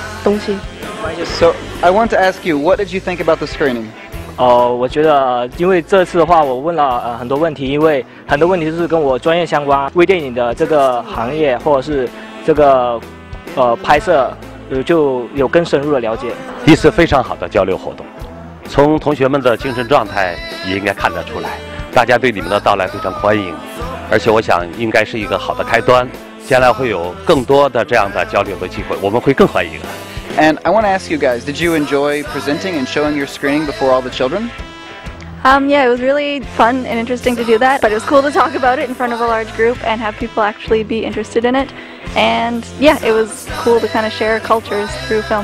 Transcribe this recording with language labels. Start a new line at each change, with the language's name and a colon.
English: So, I want to ask you, what did you think about the screening?
Chinese: 我觉得因为这次的话我问了很多问题，因为很多问题是跟我专业相关，微电影的这个行业或者是这个拍摄就有更深入的了解。一次非常好的交流活动，从同学们的精神状态也应该看得出来，大家对你们的到来非常欢迎，而且我想应该是一个好的开端。将来会有更多的这样的交流的机会，我们会更欢迎。
English: And I want to ask you guys, did you enjoy presenting and showing your screening before all the children? Yeah, it was really fun and interesting to do that, but it was cool to talk about it in front of a large group and have people actually be interested in it. And yeah, it was cool to kind of share cultures through film.